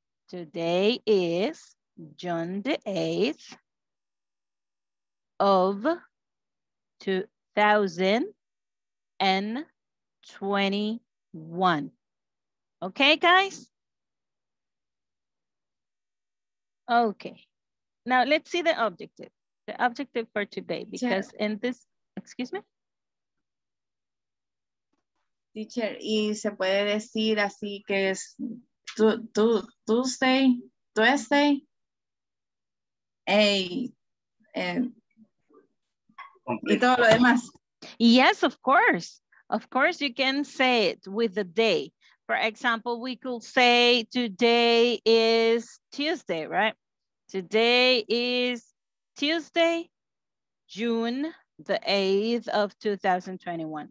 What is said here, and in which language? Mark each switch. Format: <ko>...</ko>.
<en>Today is June the 8th of 2021. Okay, guys? Okay. Now let's see the objective. The objective for today, because teacher, in this, excuse me?</en> <es>Teacher, y se puede decir así que es Tuesday, Tuesday, y todo lo demás.</es> <en>Yes, of course. Of course, you can say it with the day. For example, we could say today is Tuesday, right? Today is Tuesday, June the 8th of 2021.</en>